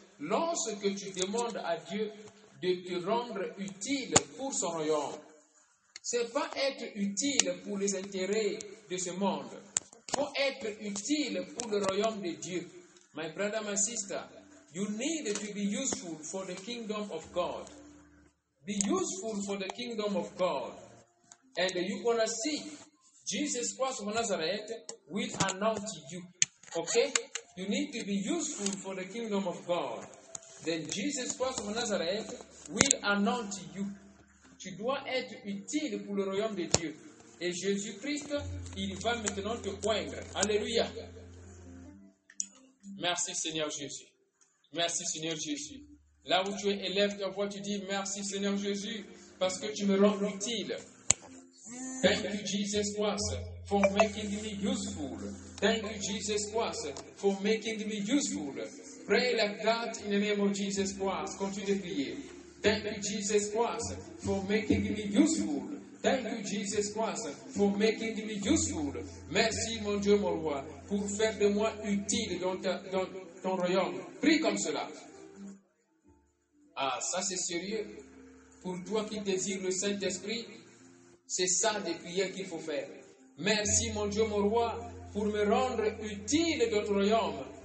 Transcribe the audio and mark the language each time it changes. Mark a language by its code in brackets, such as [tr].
[fr] Lorsque tu demandes à Dieu de te rendre utile pour son royaume, ce n'est pas être utile pour les intérêts de ce monde. Il faut être utile pour le royaume de Dieu. [en] My brother, my sister, you need to be useful for the kingdom of God. Be useful for the kingdom of God. And you're going to see Jesus Christ of Nazareth will anoint you. Okay? You need to be useful for the kingdom of God. Then Jesus Christ of Nazareth will anoint you. [fr] Tu dois être utile pour le royaume de Dieu. Et Jésus-Christ, il va maintenant te poindre. Alléluia. Merci Seigneur Jésus. Merci Seigneur Jésus. Là où tu es, élève ta voix, tu dis merci Seigneur Jésus, parce que tu me rends utile. [en] Thank you Jesus Christ for making me useful. Thank you Jesus Christ for making me useful. Pray like that in the name of Jesus Christ. [fr] Continue de prier. [en] Thank you Jesus Christ for making me useful. Thank you, Jesus Christ, for making me useful. [fr] Merci, mon Dieu, mon roi, pour faire de moi utile dans ton royaume. Prie comme cela. Ah, ça, c'est sérieux. Pour toi qui désires le Saint-Esprit, c'est ça des prières qu'il faut faire. Merci, mon Dieu, mon roi, pour me rendre utile dans ton royaume.